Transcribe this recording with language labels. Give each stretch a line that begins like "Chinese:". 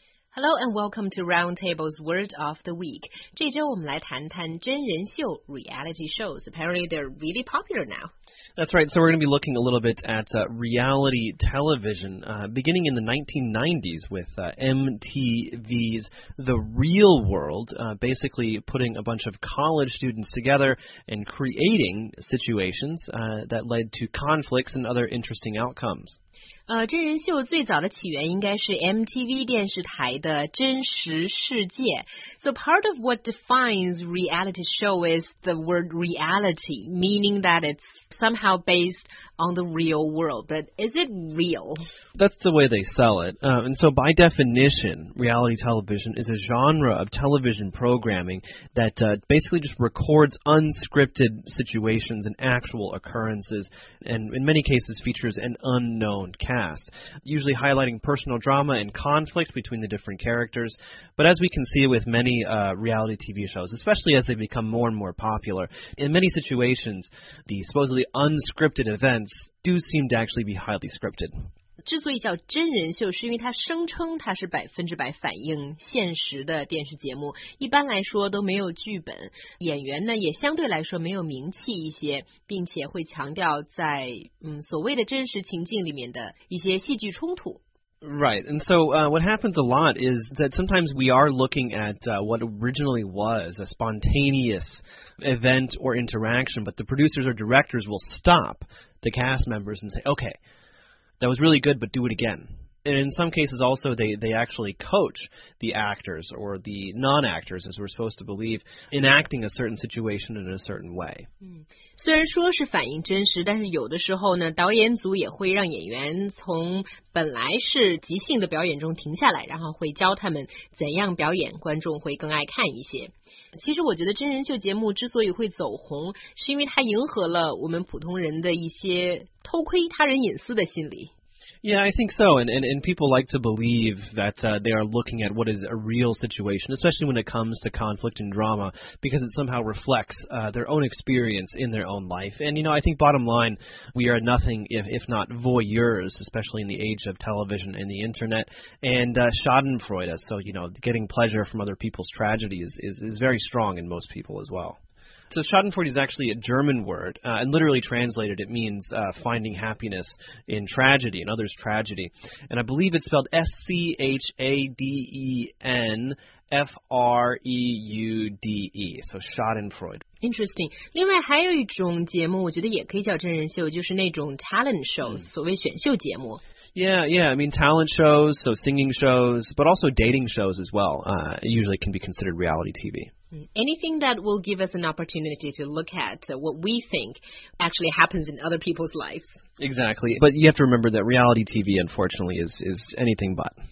English: Hello and welcome to Roundtable's Word of the Week.
Chinese: 这周我们来谈谈真人秀
English: reality shows. Apparently, they're really popular now. That's right. So we're going to be looking a little bit at reality television, beginning in the 1990s with MTV's The Real World, basically putting a bunch of college students together and creating situations that led to conflicts and other interesting outcomes.
Chinese: 真人秀最早的起源应该是 MTV 电视台的真实世界。
English: So part of what defines reality show is the word reality, meaning that it's somehow based on the real world. But is it real? That's the way they sell it. And so by definition, reality television is a genre of television programming that basically just records unscripted situations and actual occurrences, and in many cases features an unknown cast, usually highlighting personal drama and conflict between the different characters. But as we can see with many reality TV shows, especially as they become more and more popular, in many situations, the supposedly unscripted events do seem to actually be highly scripted.
Chinese: 之所以叫真人秀，是因为它声称它是百分之百反映现实的电视节目，一般来说都没有剧本，演员呢也相对来说没有名气一些，并且会强调在所谓的真实情境里面的一些戏剧冲突。
English: Right, and so what happens a lot is that sometimes we are looking at what originally was a spontaneous event or interaction, but the producers or directors will stop the cast members and say, okay. That was really good, but do it again. And in some cases also, they actually coach the actors or the non-actors, as we're supposed to believe, in acting a certain situation in a certain way.
Chinese: 虽然说是反映真实，但是有的时候呢，导演组也会让演员从本来是即兴的表演中停下来，然后会教他们怎样表演，观众会更爱看一些。其实我觉得真人秀节目之所以会走红，是因为它迎合了我们普通人的一些偷窥他人隐私的心理。
English: Yeah, I think so. And people like to believe that they are looking at what is a real situation, especially when it comes to conflict and drama, because it somehow reflects their own experience in their own life. And, you know, I think bottom line, we are nothing if not voyeurs, especially in the age of television and the internet, and schadenfreude. So, you know, getting pleasure from other people's tragedy is very strong in most people as well. So schadenfreude is actually a German word, and literally translated, it means finding happiness in tragedy, in others' tragedy. And I believe it's spelled S-C-H-A-D-E-N-F-R-E-U-D-E, so schadenfreude. Interesting.
Chinese: 另外还有一种节目，我觉得也可以叫真人秀，就是那种
English: talent shows,
Chinese: 所谓选秀节目。
English: Yeah, I mean talent shows, so singing shows, but also dating shows as well, usually can be considered reality TV. Anything that will give us an opportunity to look at what we think actually happens in other people's lives. Exactly, but you have to remember that reality TV, unfortunately, is anything but.